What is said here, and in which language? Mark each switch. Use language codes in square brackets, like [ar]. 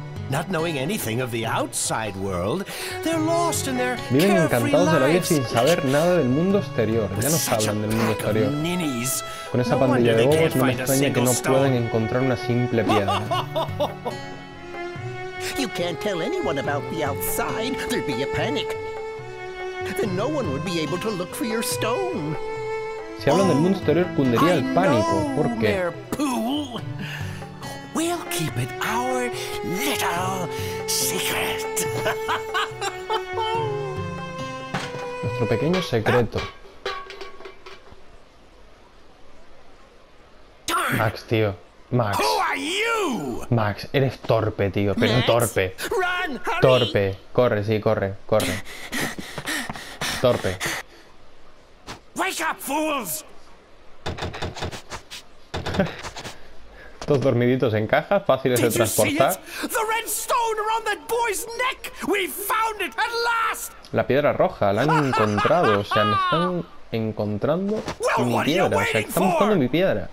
[en] Not knowing anything of the outside world, they're lost in their carefree lives. [es] Viven encantados de la vida sin saber nada del mundo exterior. Ya no saben del mundo exterior. Con esa pandilla de bobos, no me extraña que no puedan encontrar una simple piedra. [en] You can't tell anyone about the outside. There'd be a panic. Then no one would be able to look for your stone. [es] Si hablan del mundo exterior, cundiría el pánico. ¿Por qué? [en] We'll keep it our little secret. [es] Nuestro pequeño secreto. Max, tío. Max. [en] Who are you? [es] Max, eres torpe, tío. Pero torpe. [en] Run, hurry. [es] Torpe. Corre, sí, corre, corre. Torpe. [en] Wake up, fools. [es] Estos dormiditos en cajas, fáciles Did de transportar. [en] The red stone around that boy's neck. We found it at last. [es] La piedra roja, la han encontrado. O sea, me están encontrando mi piedra. O sea, están buscando mi piedra.